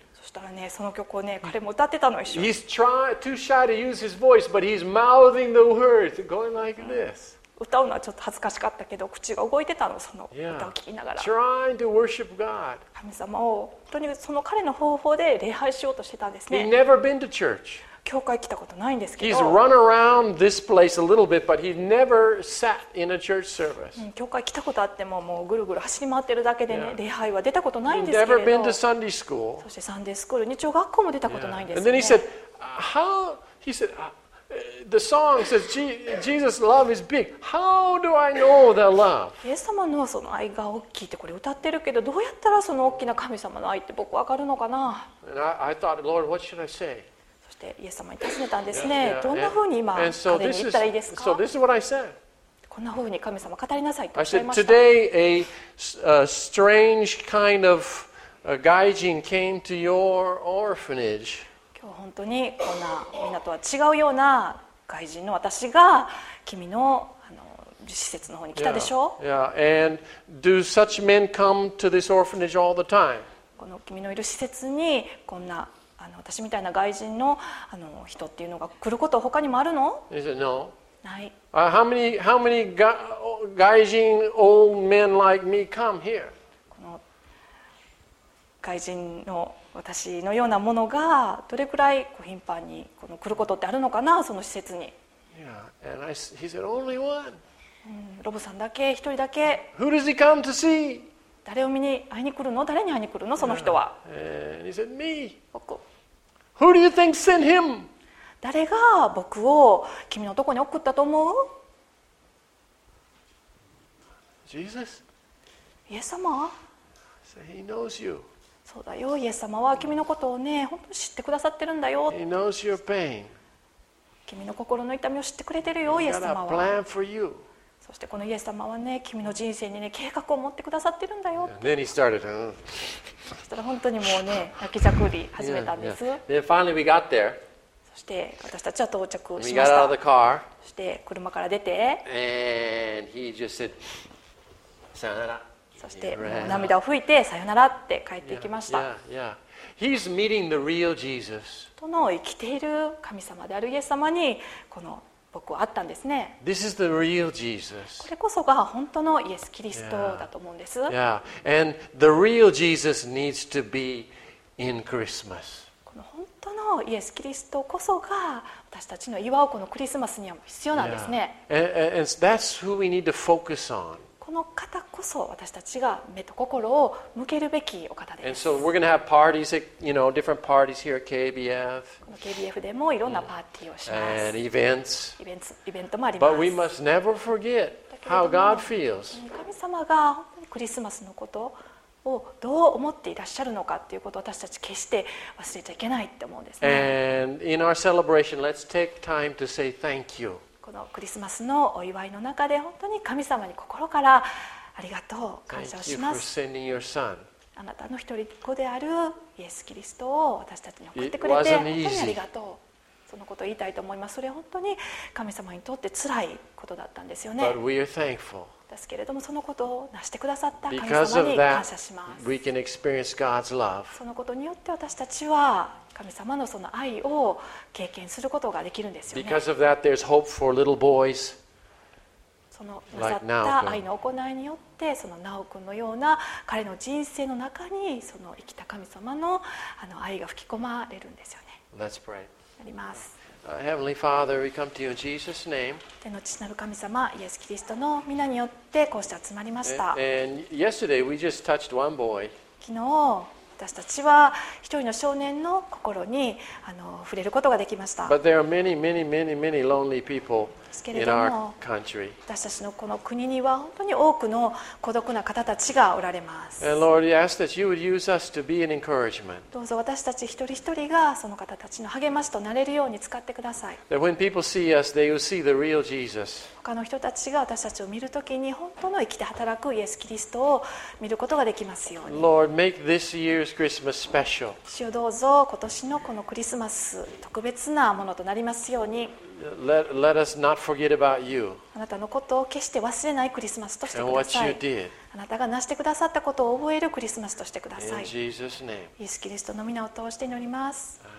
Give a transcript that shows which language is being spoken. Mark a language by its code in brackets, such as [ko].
[ja] そしたらね、その曲をね、彼も歌ってたの一緒。 [en] He's too shy to use his voice, but he's mouthing the words, going like this. [ja] 歌うのはちょっと恥ずかしかったけど、口が動いてたの、その歌を聞きながら。 [en] Trying to worship God. [ja] 神様を本当にその彼の方法で礼拝しようとしてたんですね。 [en] He's never been to church. [ja] 教会来たことないんですけど。 [en] He's run around this place a little bit, but he never sat in a church service. [ja] 教会来たことあっても、もうぐるぐる走り回ってるだけでね、礼拝は出たことないんですけど。 [en] He's never been to Sunday school. [ja] そしてサンデースクール、日曜学校も出たことないんですね。 [en] And then he said, He said,The song says, Jesus' love is big. How do I know the love? [ja] イエス様のその愛が大きいってこれ歌ってるけど、どうやったらその大きな神様の愛って僕わかるのかな。 [en] And I thought, Lord, what should I say? [ja] そしてイエス様に尋ねたんですね。 どんな風に今彼に言ったらいいですか? [en] So this is what I said. [ja] こんな風に神様語りなさいと言っていました。 [en] I said, today a strange kind of a gaijin came to your orphanage. [ja] 今日本当にこんなみんなとは違うような外人の私が君の施設の方に来たでしょう。 [en] Yeah, and do such men come to this orphanage all the time? [ja] この君のいる施設にこんな私みたいな外人の人っていうのが来ることは他にもあるの？ [en] He said, no. [ja] ない。 [en] How many 外人 old men like me come here? [ja] この外人の私のようなものがどれくらい頻繁に来ることってあるのかな、その施設に。 [en] Yeah, and he said, only one. [ja] ロボさんだけ、一人だけ。 [en] Who does he come to see? [ja] 誰を見に会いに来るの？誰に会いに来るの？その人は。 [en] And he said, me. [ja] 僕。 [en] Who do you think sent him? [ja] 誰が僕を君のとこに送ったと思う？ [en] Jesus. [ja] イエス様。 [en] So he knows you. [ja] そうだよ、イエス様は君のことをね、本当に知ってくださってるんだよ。 [en] He knows your pain. [ja] 君の心の痛みを知ってくれてるよ、イエス様は。 [en] He's got a plan for you. [ja] そしてこのイエス様はね、君の人生にね、計画を持ってくださってるんだよ。 [en] Then he started, huh? [ja] そしたら本当にもうね、泣きじゃくり始めたんです。 [en] Yeah, yeah. Then finally we got there. [ja] そして私たちは到着しました。 [en] We got out of the car. [ja] そして車から出て。 [en] And he just said, [ja] さよなら。そしてもう涙を拭いて、さよならって帰っていきました。 [en] Yeah, yeah, yeah. He's meeting the real Jesus. [ja] との生きている神様であるイエス様に、この僕はあったんですね。 [en] This is the real Jesus. [ja] これこそが本当のイエス・キリストだと思うんです。 [en] Yeah. Yeah. And the real Jesus needs to be in Christmas. [ja] この本当のイエス・キリストこそが私たちの祝うこのクリスマスには必要なんですね。 [en] Yeah. And that's who we need to focus on. [ja] この方こそ私たちが目と心を向けるべきお方です。 [en] And so we're going to have parties at, you know, different parties here at KBF. [ja] KBF でもいろんなパーティーをします。 [en] And events. [ja] イベントもあります。 [en] But we must never forget how God feels. [ja] 神様がクリスマスのことをどう思っていらっしゃるのかということを私たち決して忘れちゃいけないって思うんですね。 [en] And in our celebration, let's take time to say thank you. [ja] このクリスマスのお祝いの中で本当に神様に心からありがとう感謝をします。 [en] Thank you for sending your son. [ja] あなたの一人っ子であるイエス・キリストを私たちに送ってくれて本当にありがとう。そのことを言いたいと思います。それは本当に神様にとって辛いことだったんですよね。 [en] But we are thankful. [ja] ですけれどもそのことを成してくださった神様に感謝します。 [en] Because of that, we can experience God's love. [ja] そのことによって私たちは神様のその愛を経験することができるんですよね。 [en] Because of that, there's hope for little boys. [ja] そのなさった愛の行いによって、そのナオ君のような彼の人生の中にその生きた神様の愛が吹き込まれるんですよね。 [en] Let's pray. [ja] あります。 [en] Heavenly Father, we come to you in Jesus' name. [ja] 天の父なる神様、イエス・キリストの御名によってこうして集まりました。 [en] And yesterday we just touched one boy. [ja] 昨日私たちは一人の少年の心に触れることができました。ですけれども私たちのこの国には本当に多くの孤独な方たちがおられます。 [en] And Lord, we ask that you would use us to be an encouragement. [ja] どうぞ私たち一人一人がその方たちの励ましとなれるように使ってください。 [en] That when people see us, they will see the real Jesus. [ja] 他の人たちが私たちを見るときに本当の生きて働くイエス・キリストを見ることができますように。 [en] Lord, make this year's Christmas special. [ja] 主よどうぞ今年のこのクリスマス特別なものとなりますように。 [en] Let us not forget about you. [ja] あなたのことを決して忘れないクリスマスとしてください。 [en] And what you did. [ja] あなたがなしてくださったことを覚えるクリスマスとしてください。 [en] In Jesus' name. [ja] イエス・キリストの御名を通して祈ります。